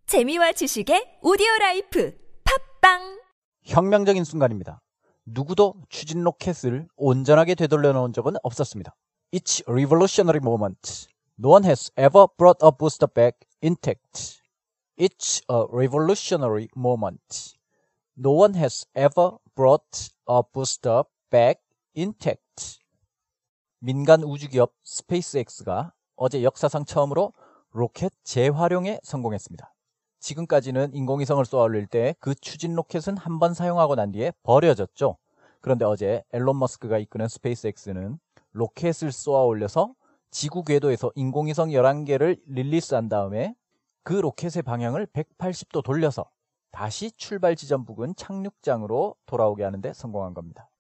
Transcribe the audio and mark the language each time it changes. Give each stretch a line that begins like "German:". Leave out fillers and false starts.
Korean: 재미와 지식의 오디오라이프 팝빵 혁명적인 순간입니다. 누구도 추진 로켓을 온전하게 되돌려 놓은 적은 없었습니다.
English: It's a revolutionary moment. No one has ever brought a booster back intact. It's a revolutionary moment. No one has ever brought a booster back intact.
Korean: 민간 우주기업 스페이스X가 어제 역사상 처음으로 로켓 재활용에 성공했습니다. 지금까지는 인공위성을 쏘아올릴 때 그 추진 로켓은 한번 사용하고 난 뒤에 버려졌죠. 그런데 어제 앨런 머스크가 이끄는 스페이스X는 로켓을 쏘아올려서 지구 궤도에서 인공위성 11개를 릴리스한 다음에 그 로켓의 방향을 180도 돌려서 다시 출발 지점 부근 착륙장으로 돌아오게 하는 데 성공한 겁니다.